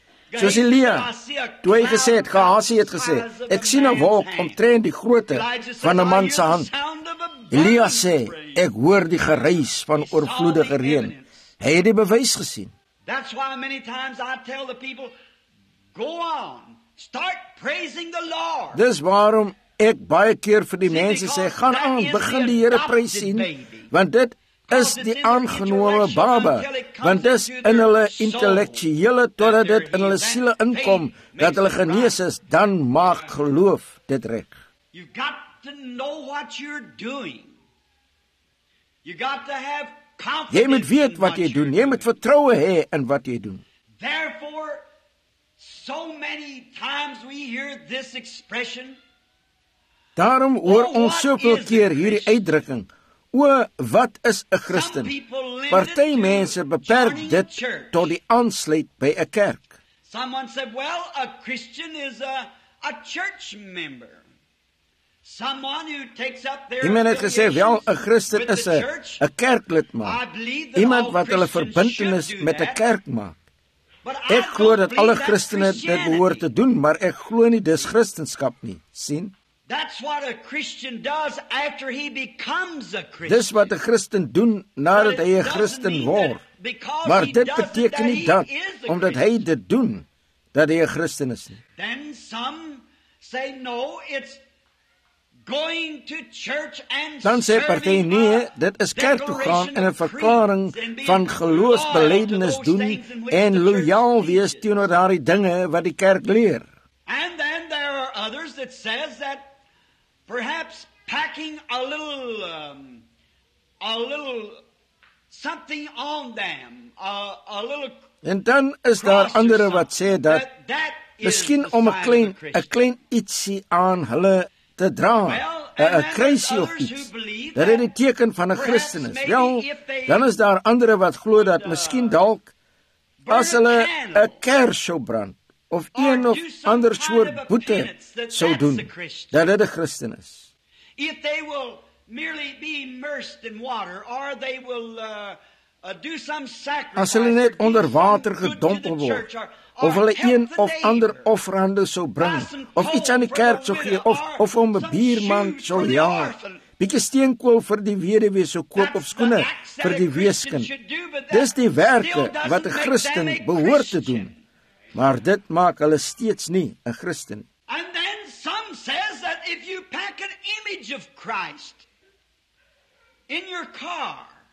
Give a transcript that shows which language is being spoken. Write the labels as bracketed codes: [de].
[af] Soos Elia, toe hy gesê het, Gehasi het gesê, ek sien 'n wolk omtrent die grootte van 'n man se hand. Elia sê, ek hoor die geruis van oorvloedige reën. Hy het die bewys gesien. [en] That's why many times I tell the people, go on, start praising the Lord. [af] Dis waarom ek baie keer vir die mense sê, gaan aan, begin die Here prys sien, want dit is die aangenome baba, want dis in hulle intellektuele, totdat dit in hulle siele inkom, dat hulle genees is, dan maak geloof dit reg. [en] You've got to know what you're doing. You got to have confidence. [af] Jy moet weet wat jy doen, jy moet vertroue hê in wat jy doen. [en] Therefore, so many times we hear this expression. [af] Daarom hoor ons soveel keer hierdie uitdrukking, o, wat is 'n Christen? Party mense beperk dit tot die aansluit by 'n kerk. [en] Someone said, well, a Christian is a church member. Someone who takes up their [af] iemand het gesê, wel, 'n Christen is 'n kerklid maar. Iemand wat hulle verbintenis met 'n kerk maak. Ek glo dat alle Christene dit behoort te doen, maar ek glo nie dis Christenskap nie. Sien? [en] That's what a Christian does after he becomes a Christian. [af] Dis wat 'n Christen doen nadat hy 'n Christen word. Maar dit beteken nie dat omdat hy dit doen dat hy 'n Christen is nie. [en] Then some say no, it's going to church and [af] dan sê party nee, dit is kerk toe gaan en 'n verklaring van geloofsbelydenis doen en lojaal wees teenoor daardie dinge wat die kerk leer. [en] And then there are others that says that perhaps packing a little something on them, a little. [af] En dan is daar ander wat sê dat miskien om 'n klein ietsie aan hulle te dra, 'n kruisie of iets, dat dit 'n teken van 'n Christen is. Wel, dan is daar ander wat glo dat miskien dalk as hulle 'n kers sou brand, of een of ander soort boete sou doen, dat dit 'n Christen is. [en] If they will merely be immersed in water, or they will do some sacrifice, [af] as hulle net onder water gedompel word, of hulle een of ander offerande sou bring, of iets aan die kerk sou gee, of om 'n buurman sou jaag, bietjie steenkool vir die weduwee sou koop of skoene vir die weeskind. Dis die werke wat 'n Christen behoort te doen, maar dit maak hulle steeds nie 'n Christen. [en] And then some says that if you pack an image of Christ in your car,